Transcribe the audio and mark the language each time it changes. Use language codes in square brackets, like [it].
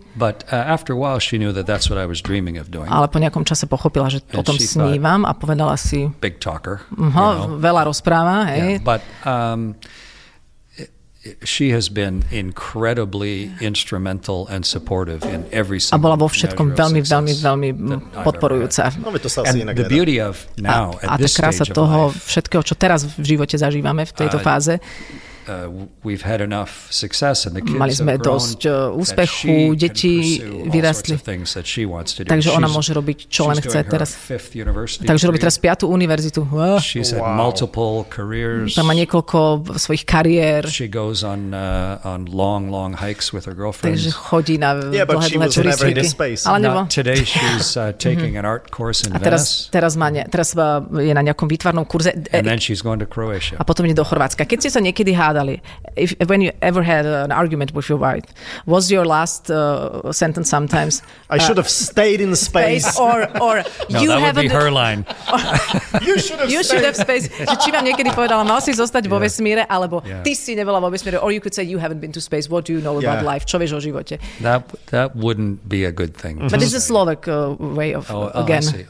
[en] But after a while she knew that that's what I was dreaming of doing. [sk] Ale po nejakom čase pochopila, že o tom snívam a povedala si... [en] Big talker. [sk] Veľa rozpráva, hej. [en] But... she has been incredibly instrumental and supportive in every single [sk] A bola vo všetkom veľmi, veľmi, veľmi podporujúca. [en] And the beauty of now, at this stage of life. [sk] A tá krása toho všetkého, čo teraz v živote zažívame v tejto fáze. [en] We've had enough success and the kids [sk] mali sme dosť úspechu, deti vyrastli. Takže ona môže robiť, čo len chce teraz. Takže robí teraz piatú univerzitu. [en] She's had multiple careers. [sk] Tam má niekoľko svojich kariér. [en] She goes on long, long hikes with her girlfriends. [sk] Takže chodí na dlhé, dlhé turistiky. Ale nebo... [en] Today she's taking an art course in Venice. [sk] A teraz je na nejakom výtvarnom kurze. [en] And then she's going to Croatia. [sk] A potom ide do Chorvátska. Keď ste sa niekedy hádali. [en] If, when you ever had an argument with your wife, was your last sentence sometimes I should have stayed in space? Or no, you that would be her line. You should have stayed. You should have space. [sk] Či vám niekedy povedala, mal si zostať vo vesmíre, alebo ty si nebola vo vesmíre. [en] Or you could say, you haven't been to space. What do you know about life? [sk] Čo vieš o živote? [en] That wouldn't be a good thing. But this is a Slovak way of, again.